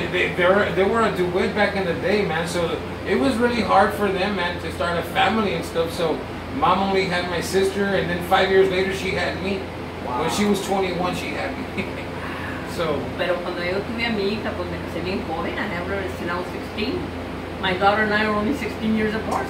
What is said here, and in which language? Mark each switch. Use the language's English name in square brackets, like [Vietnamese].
[English] They were a duet back in the day, man. So it was really hard for them, man, to start a family and stuff. So mom only had my sister, and then 5 years later, she had me. Wow. When she was 21, she had me. So. [Spanish] Pero cuando yo tuve a mi hija, pues me casé bien joven. [English] I never seen, I was 16. My daughter and I are only 16 years apart.